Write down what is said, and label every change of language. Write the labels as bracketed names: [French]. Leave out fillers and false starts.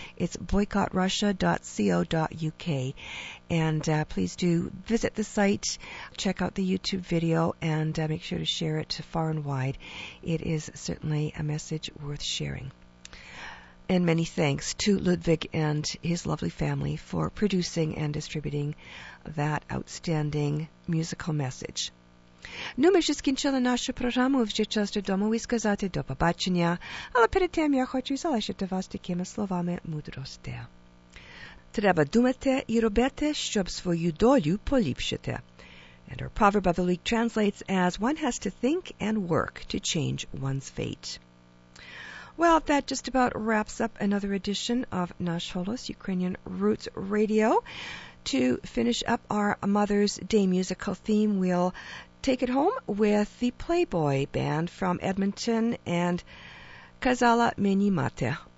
[English] It's boycottrussia.co.uk. And please do visit the site, check out the YouTube video, and make sure to share it far and wide. It is certainly a message worth sharing. And many thanks to Ludwig and his lovely family for producing and distributing that outstanding musical message. [Ukrainian] Ну, ми ще скінчили нашу програму вже час додому і сказати до побачення, але перед тим я хочу залишити вас такими словами мудрості. Треба думати і робити, щоб свою долю поліпшити. [English] And our proverb of the week translates as, one has to think and work to change one's fate. Well, that just about wraps up another edition of Nash Holos, Ukrainian Roots Radio. To finish up our Mother's Day musical theme, we'll take it home with the Playboy Band from Edmonton and Kazala Meni Mate.